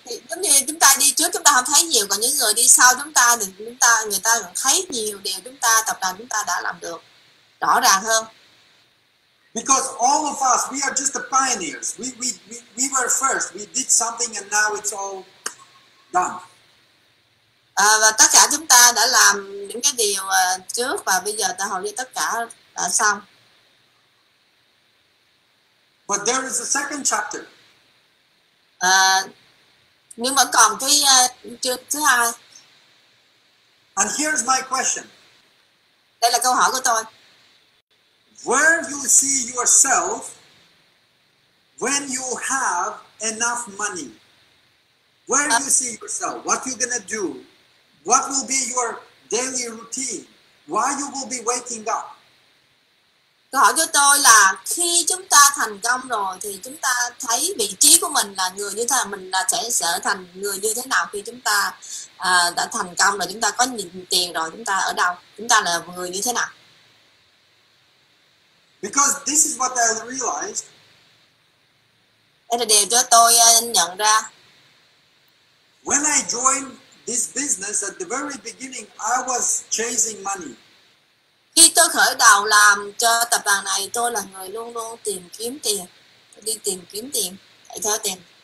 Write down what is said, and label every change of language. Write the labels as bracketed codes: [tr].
[vi] Giống như chúng ta đi trước chúng ta không thấy nhiều, còn những người đi sau chúng ta thì chúng ta người ta còn thấy nhiều điều chúng ta tập đoàn chúng ta đã làm được rõ ràng hơn. [en] Because all of us, we are just the pioneers. We were first. We did something and now it's all done. [vi] Và tất cả chúng ta đã làm những cái điều trước và bây giờ ta hầu như tất cả đã xong. [en] But there is a second chapter. [vi] Nhưng vẫn còn cái chương thứ hai. [en] And here's my question. [vi] Đây là câu hỏi của tôi. [en] Where you see yourself when you have enough money? Where do you see yourself? What you gonna do? What will be your daily routine? Why you will be waking up? [vi] Câu hỏi của tôi là khi chúng ta thành công rồi thì chúng ta thấy vị trí của mình là người như thế nào, mình là sẽ trở thành người như thế nào khi chúng ta đã thành công rồi, chúng ta có nhiều tiền rồi, chúng ta ở đâu, chúng ta là người như thế nào? [en] Because this is what I realized. [vi] Đây là điều cho tôi nhận ra. [en] When I joined this business at the very beginning, I was chasing money. [vi] Khi tôi khởi đầu làm cho tập đoàn này, tôi là người luôn luôn tìm kiếm tiền, tôi đi tìm kiếm tiền, chạy theo tiền.